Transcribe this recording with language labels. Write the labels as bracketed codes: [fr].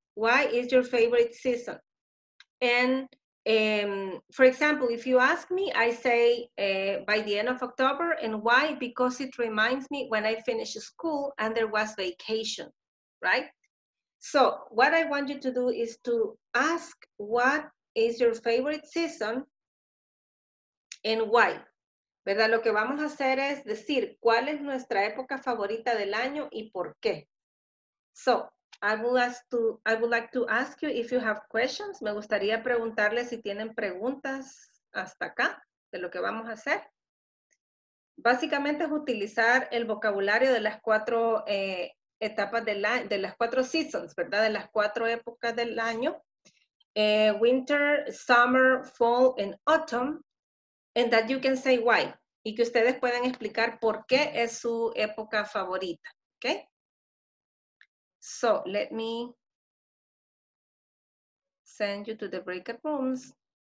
[en] Why is your favorite season? And for example, if you ask me, I say by the end of October, and why? Because it reminds me when I finished school and there was vacation, right? So what I want you to do is to ask what is your favorite season and why, [es] ¿verdad? Lo que vamos a hacer es decir cuál es nuestra época favorita del año y por qué. [en] So I would like to ask you if you have questions. [es] Me gustaría preguntarles si tienen preguntas hasta acá de lo que vamos a hacer. Básicamente es utilizar el vocabulario de las cuatro etapas del año, de las cuatro seasons, ¿verdad? De las cuatro épocas del año. [en] Winter, summer, fall, and autumn. And that you can say why. [es] Y que ustedes puedan explicar por qué es su época favorita. [en] ¿Ok? So let me send you to the breakout rooms.